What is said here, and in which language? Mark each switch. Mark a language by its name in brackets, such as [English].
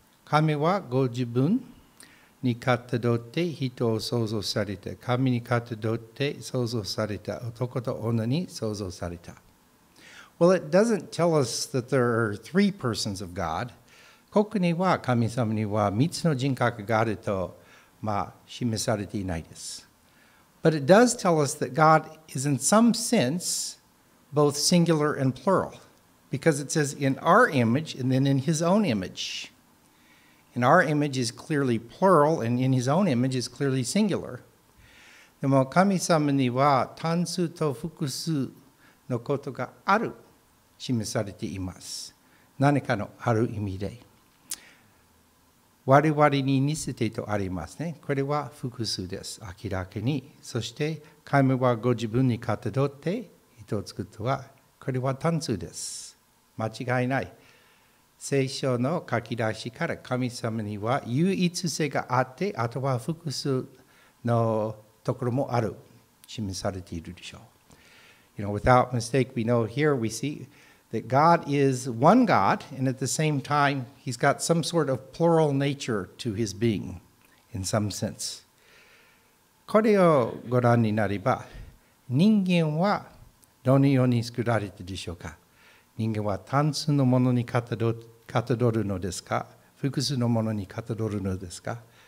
[Japanese] 神はご自分に型取って人を創造された。神に型取って創造された。男と女に創造された。 [English] Well, it doesn't tell us that there are three persons of God. [Japanese] ここには神様には三つの人格があると、示されていないです。 [English] But it does tell us that God is in some sense both singular and plural, because it says in our image and then in his own image. In our image is clearly plural, and in his own image is clearly singular. [Japanese] でも神様には単数と複数のことがある。示されています。何かのある意味で。我々に似せてとありますね。これは複数です。明らかに。そして、神はご自分にかたどって人を作ったは、これは単数です。間違いない。聖書の書き出しから神様には唯一性があって、あとは複数のところもある。示されているでしょう。 [English] You know, without mistake, we know here we see... that God is one God, and at the same time, he's got some sort of plural nature to his being, in some sense. [Japanese] これをご覧になれば、人間はどのように作られているでしょうか？人間は単数のものにかたどるのですか？複数のものにかたどるのですか？